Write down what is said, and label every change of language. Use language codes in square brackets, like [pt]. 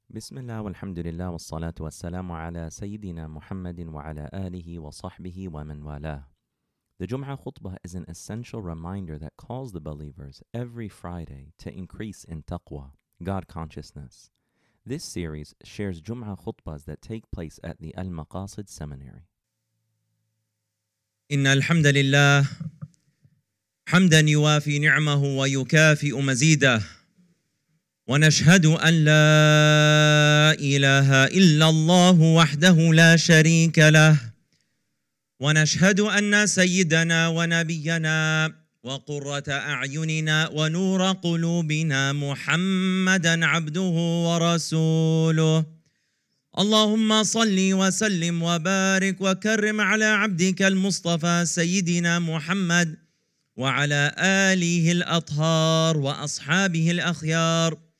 [ar] بسم الله والحمد لله والصلاة والسلام على سيدنا محمد وعلى آله وصحبه ومن والاه. [en] The Jum'ah khutbah is an essential reminder that calls the believers every Friday to increase in taqwa, God consciousness. This series shares Jum'ah khutbahs that take place at the Al-Maqasid Seminary. [ar] إن الحمد لله حمدا يوافي نعمه ويكافئ مزيده ونشهد أن لا إله إلا الله وحده لا شريك له ونشهد أن سيدنا ونبينا وقرة أعيننا ونور قلوبنا محمدا عبده ورسوله اللهم صل وسلم وبارك وكرم على عبدك المصطفى سيدنا محمد وعلى آله الأطهار وأصحابه الأخيار